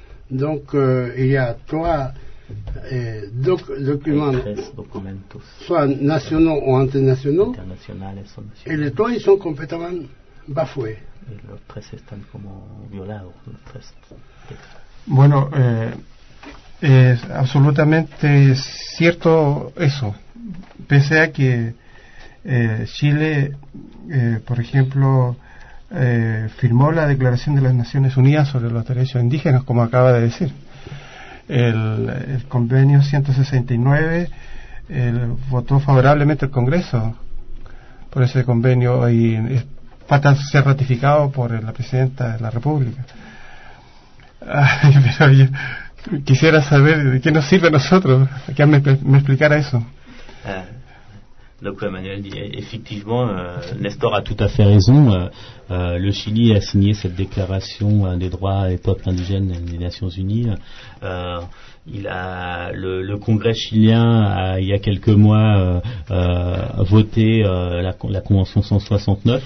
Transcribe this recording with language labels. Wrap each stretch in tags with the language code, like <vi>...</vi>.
<fr>Donc, il y a trois documents, soit nationaux ou internationaux, et les trois, ils sont complètement bafoués. Et les trois sont comme violés.</fr> <es>Bueno, es absolutamente cierto eso. Pese a que Chile, por ejemplo, firmó la Declaración de las Naciones Unidas sobre los Derechos Indígenas, como acaba de decir. El convenio 169 votó favorablemente el Congreso por ese convenio y falta ser ratificado por la Presidenta de la República. Pero yo quisiera saber de qué nos sirve a nosotros que me explicara eso.</es> <fr>Donc Emmanuel dit effectivement, Nestor a tout à fait raison. Le Chili a signé cette déclaration des droits des peuples indigènes des Nations Unies. Le Congrès chilien a, il y a quelques mois, voté la convention 169.</fr>